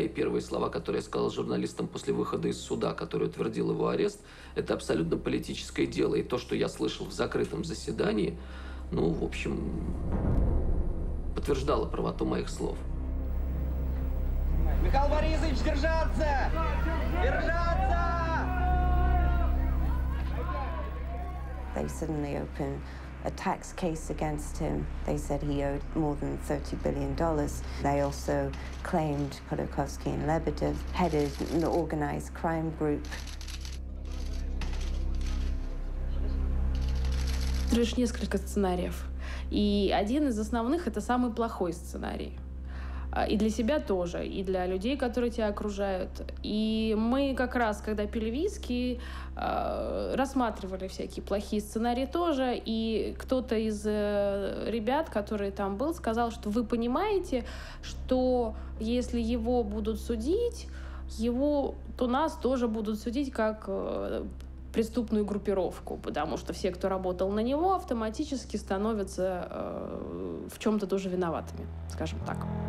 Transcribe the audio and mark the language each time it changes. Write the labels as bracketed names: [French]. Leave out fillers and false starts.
[Russian] И первые слова, которые я сказал журналистам после выхода из суда, который утвердил его арест, это абсолютно политическое дело. И то, что я слышал в закрытом заседании, ну, в общем, подтверждало правоту моих слов. Михаил Борисович, держаться! Держаться! [English] They suddenly open a tax case against him. They said he owed more than $30 billion. They also claimed Khodorkovsky and Lebedev headed an organized crime group. [Russian] Лишь несколько сценариев. И один из основных — это самый плохой сценарий. И для себя тоже, и для людей, которые тебя окружают. И мы как раз, когда пили виски, рассматривали всякие плохие сценарии тоже, и кто-то из ребят, который там был, сказал, что вы понимаете, что если его будут судить, его, то нас тоже будут судить как преступную группировку, потому что все, кто работал на него, автоматически становятся в чем-то тоже виноватыми, скажем так.